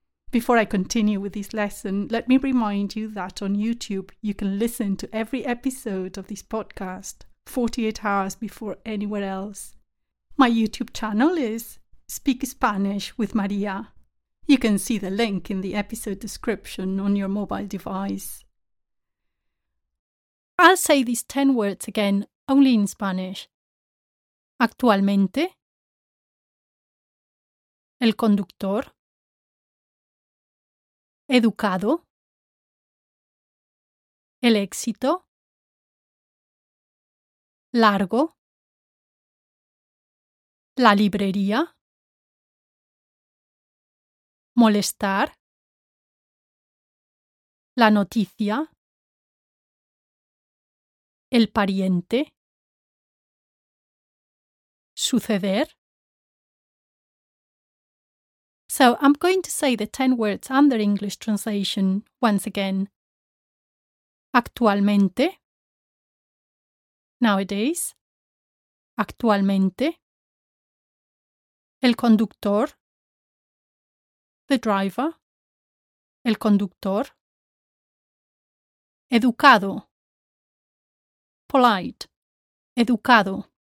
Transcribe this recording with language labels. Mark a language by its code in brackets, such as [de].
[en] Before I continue with this lesson, let me remind you that on YouTube you can listen to every episode of this podcast 48 hours before anywhere else. My YouTube channel is Speak Spanish with María. You can see the link in the episode description on your mobile device. I'll say these 10 words again, only in Spanish. [es] Actualmente, el conductor, educado, el éxito, largo, la librería, molestar, la noticia, el pariente, suceder. [en] So I'm going to say the 10 words and their English translation once again. [es] Actualmente, [en] nowadays. [es] Actualmente, el conductor, [en] the driver, [es] el conductor, educado, [en] polite, [es] educado.